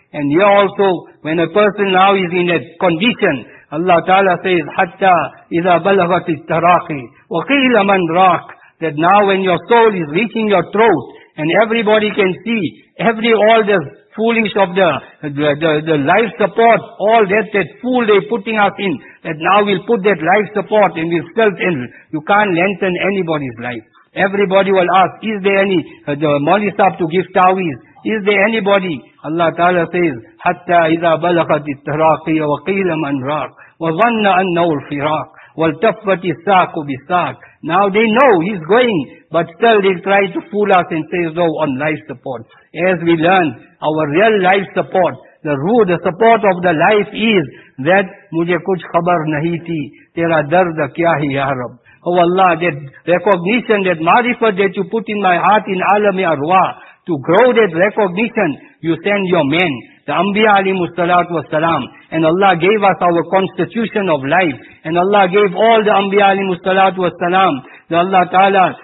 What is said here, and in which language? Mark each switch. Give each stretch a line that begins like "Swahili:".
English: And here also, when a person now is in that condition, Allah Ta'ala says, Hatta
Arabic: إِذَا بَلَغَتِ التَّرَاقِ وَقِيلَ مَنْ رَاقِ,
English: that now when your soul is reaching your throat, and everybody can see, all the foolish of the life support, all that fool they putting us in, that now we'll put that life support and we'll still in. You can't lengthen anybody's life. Everybody will ask, is there any the molestab to give tawiz? Is there anybody? Allah Ta'ala says,
Arabic: Hatta إِذَا بَلَغَتِ التَّرَاقِي وَقِيلَ مَنْ رَاقِ وَظَنَّ أَنَّهُ الْفِرَاقِ وَالْتَفَّتِ السَّاقُ بِالسَّاقِ.
English: Now they know he's going, but still they try to fool us and say so on life support. As we learn, our real life support, the root, the support of the life is that
Urdu: مُجھے کچھ خبر نہیں تھی تیرا درد کیا ہی یا رب.
English: Oh Allah, that recognition, that marifat that you put in my heart in alam-e arwah, to grow that recognition, you send your men, the Anbiya alayhi salatu wa salam, and Allah gave us our constitution of life, and Allah gave all the Anbiya alayhi salatu wa salam, that Allah Ta'ala